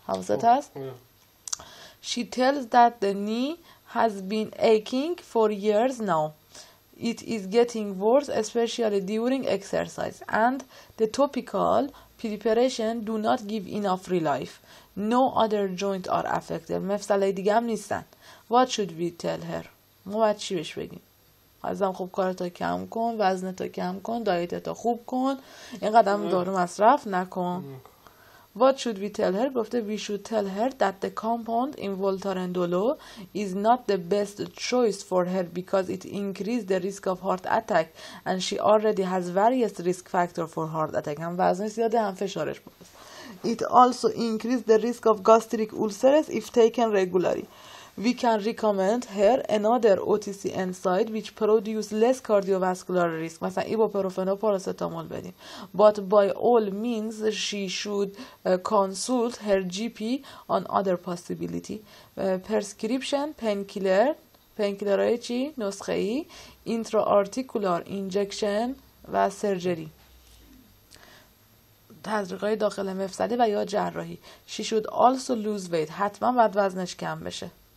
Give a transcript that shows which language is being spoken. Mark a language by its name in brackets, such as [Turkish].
[Persian] حواست هست؟ [English] she tells that the knee has been aching for years now، it is getting worse especially during exercise and the topical preparation do not give enough relief، no other joint are affected، [Persian] مفصله دیگه هم نیستن. [English] what should we tell her، [Persian] ما باید چی بهش بگیم؟ ازم خوب کارتا کم کن، وزنتا کم کن، دایتتا خوب کن، اینقدر هم دارو مصرف نکن. [English] What should we tell her؟ [Persian] گفته [English] we should tell her that the compound in Voltaren Dolo is not the best choice for her because it increases the risk of heart attack and she already has various risk factors for heart attack، [Persian] هم وزنش زیاده هم فشارش بود. [English] it also increases the risk of gastric ulcers if taken regularly. we can recommend her another OTC NSAID which produce less cardiovascular risk، [Persian] مثلا ایبوپروفن و پاراستامول بدیم. [English] but by all means she should consult her GP on other possibility. prescription painkiller، [Persian] painkillerهای چی؟ نسخه ای، [English] intra-articular injection [Persian] و surgery، تزریقهای داخل مفصلی و یا جراحی. [English] she should also lose weight، [Persian] حتما باید وزنش کم بشه.